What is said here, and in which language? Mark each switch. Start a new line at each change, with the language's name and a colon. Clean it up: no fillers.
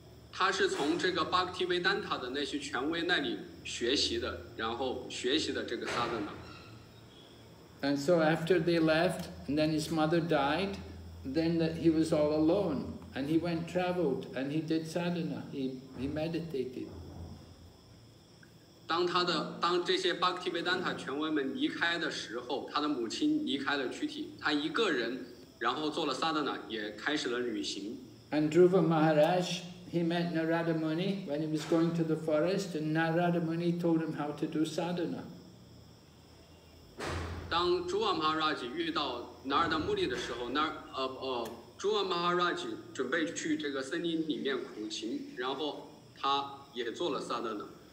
Chinese: 他是从这个 Bhaktivedanta 的那些权威那里学习的，然后学习的这个 sadhana.
English: And so after they left, and then his mother died, then he was all alone, and he went traveled, and he did sadhana, he meditated.
Chinese: 当这些巴克提维丹塔权威们离开的时候，他的母亲离开了躯体，他一个人，然后做了萨达纳，也开始了旅行。
English: And Dhruva Maharaj, he met Narada Muni when he was going to the forest, and Narada Muni told him how to do sadhana.
Chinese: 当 Dhruva Maharaj 遇到 Narada Muni 的时候，Dhruva Maharaj 准备去这个森林里面苦行，然后他也做了萨达纳。